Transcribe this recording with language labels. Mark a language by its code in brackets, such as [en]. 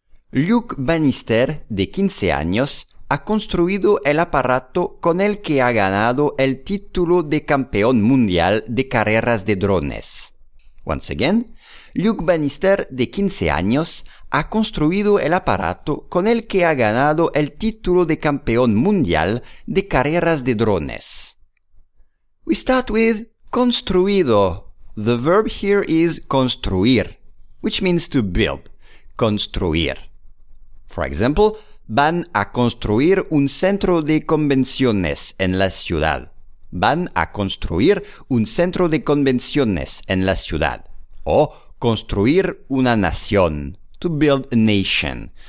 [es] Luke Bannister, de 15 años, ha construido el aparato con el que ha ganado el título de campeón mundial de carreras de drones. [en] Once again, [es] Luke Bannister, de 15 años, ha construido el aparato con el que ha ganado el título de campeón mundial de carreras de drones. [en] We start with construido. The verb here is construir, which means to build, construir. For example, [es] van a construir un centro de convenciones en la ciudad. Van a construir un centro de convenciones en la ciudad. O construir una nación. [en] To build a nation.